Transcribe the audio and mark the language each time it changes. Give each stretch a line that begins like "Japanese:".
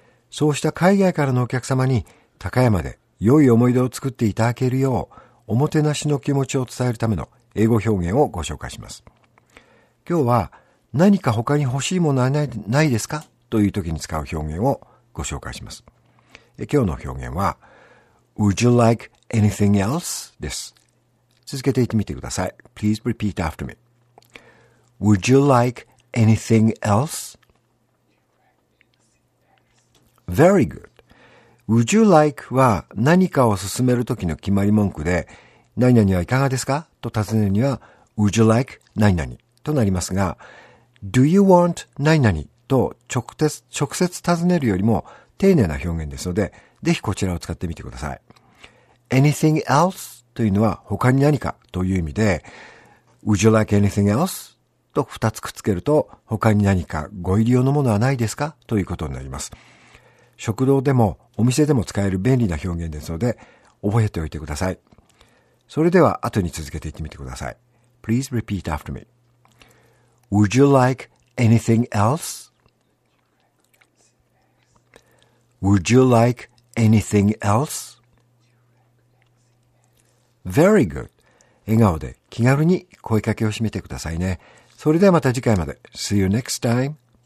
Japanese: そうした海外からのお客様に高山で良い思い出を作っていただけるよう、おもてなしの気持ちを伝えるための英語表現をご紹介します。今日は何か他に欲しいものはないですかという時に使う表現をご紹介します。今日の表現は、
English: Would you like anything else?
Japanese: です。続けて言ってみてください。
English: Please repeat after me. Would you like anything else? Very good.
Japanese: Would you like は何かを勧めるときの決まり文句で、何々はいかがですかと尋ねるには、Would you like 何々となりますが、Do you want 何々と直接尋ねるよりも丁寧な表現ですので、ぜひこちらを使ってみてください。 Anything else というのは他に何かという意味で、
English: Would you like anything else?
Japanese: と二つくっつけると、他に何かご入り用のものはないですかということになります。食堂でもお店でも使える便利な表現ですので、覚えておいてください。それでは後に続けていってみてください。
English: Please repeat after me. Would you like anything else? Would you like anything else? Very good.
Japanese: 笑顔で気軽に声かけをしてみてくださいね。それではまた次回まで。
English: See you next time.